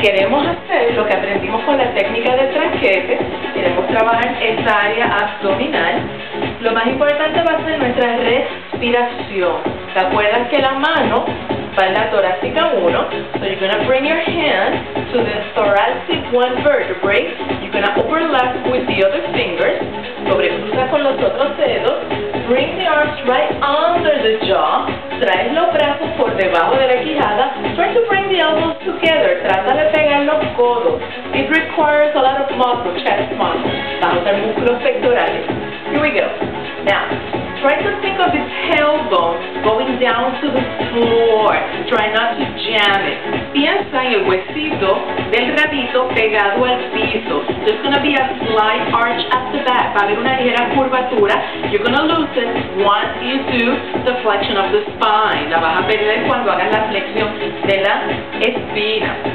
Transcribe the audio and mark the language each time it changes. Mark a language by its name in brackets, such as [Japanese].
[Spanish] Queremos hacer lo que aprendimos con la técnica de tranquete. Queremos trabajar esa área abdominal. Lo más importante va a ser nuestra respiración. ¿Te acuerdas que la mano va en la torácica 1? [English] So you're going to bring your hand to the thoracic 1 vertebrae. You're going to overlap with the other fingers. [Spanish] Sobrecruza con los otros dedos. [English] Bring the arms right under the jaw. [Spanish] Trae los brazos por debajo de la quijada. [English] Try to bring the elbows together. [Spanish] Trata de pegar los codos. [English] It requires a lot of muscle, chest muscle. [Spanish] Vamos a músculos pectorales. [English] Here we go. Now, try to think of the tailbone going down to the floor. Try not to jam it. [Spanish] Piensa en el huesito del rabito pegado al piso. [English] There's going to be a slight arch at the back. [Spanish] Va a haber una ligera curvatura. [English] You're going to loosen once you do the flexion of the spine. [Spanish] La vas a perder cuando hagas la flexión de la espina.